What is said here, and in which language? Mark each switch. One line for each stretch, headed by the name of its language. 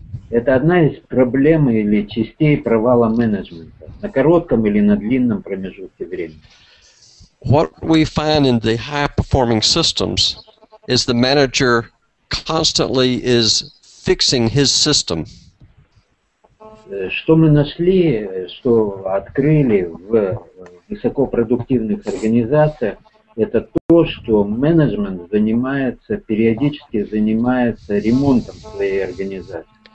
Russian: Это одна из проблем или частей провала менеджмента на коротком или на длинном промежутке времени.
English: What we find in the high-performing systems is the manager constantly is fixing his system.
Russian: Что мы нашли, что открыли в высокопродуктивных организациях, это то, что менеджмент занимается, периодически занимается ремонтом своей организации.